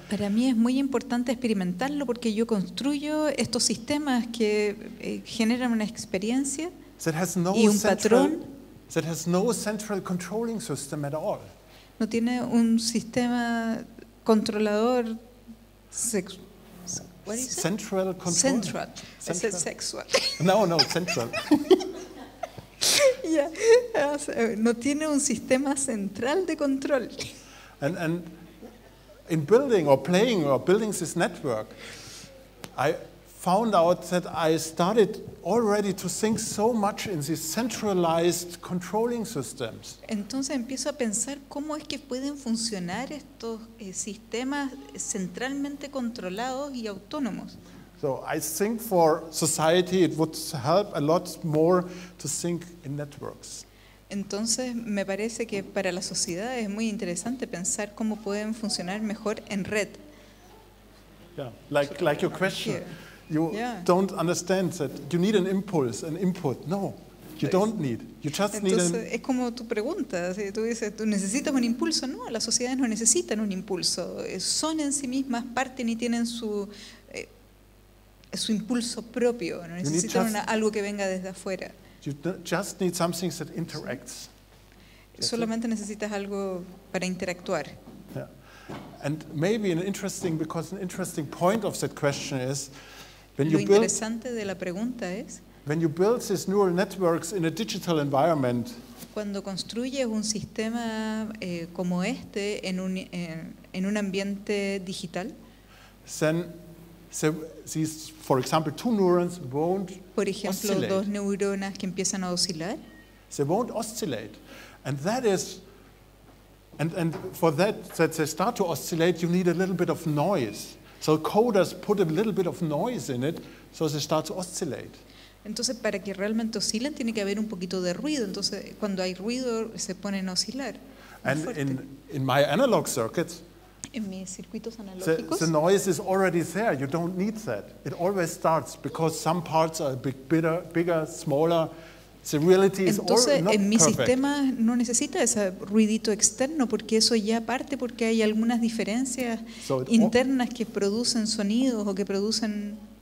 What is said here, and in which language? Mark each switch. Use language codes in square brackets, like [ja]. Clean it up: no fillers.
[es] Para mí es muy importante experimentarlo porque yo construyo estos sistemas que generan una experiencia y un patrón. [en] That has no central controlling system at all. [es] No tiene un sistema controlador [en] central control. [es] Central. No, central. Yeah. No tiene un sistema central de control. [en] And in building or playing or building this network, I found out that I started already to think so much in these centralized controlling systems. [es] Entonces empiezo a pensar cómo es que pueden funcionar estos sistemas centralmente controlados y autónomos. [en] So I think for society it would help a lot more to think in networks. [es] Entonces, me parece que para la sociedad es muy interesante pensar cómo pueden funcionar mejor en red. [en] Yeah, like your question. Don't understand that you need an impulse, an input. No, you don't need. You just [es] Entonces, [en] need an... [es] es como tu pregunta. Tú dices, ¿tú necesitas un impulso? No, las sociedades no necesitan un impulso. Son en sí mismas parte ni tienen su impulso propio. No necesitan algo que venga desde afuera. [en] You just need something that interacts. [es] Solamente necesitas algo para interactuar. [en] Yeah. And maybe an interesting point of that question is when you build. [es] Lo interesante de la pregunta es. [en] When you build these neural networks in a digital environment. [es] Cuando construyes un sistema como este en un ambiente digital. [en] Then, so these, for example, two neurons won't oscillate. [es] Por ejemplo, dos neuronas que empiezan a oscilar. [en] They won't oscillate, and that is, and for that they start to oscillate, you need a little bit of noise. So coders put a little bit of noise in it, so they start to oscillate. [es] Entonces, para que realmente oscilen, tiene que haber un poquito de ruido. Entonces, cuando hay ruido, se ponen a oscilar. [en] And in my analog circuits. [es] En mis circuitos analógicos. [en] The noise is already there. You don't need that. It always starts because some parts are bigger, smaller. So reality is [es] entonces, [en] all, not [es] en mi [en] perfect. [es] Sistema no necesita ese ruidito externo porque eso ya parte porque hay algunas diferencias so internas que producen sonidos o que producen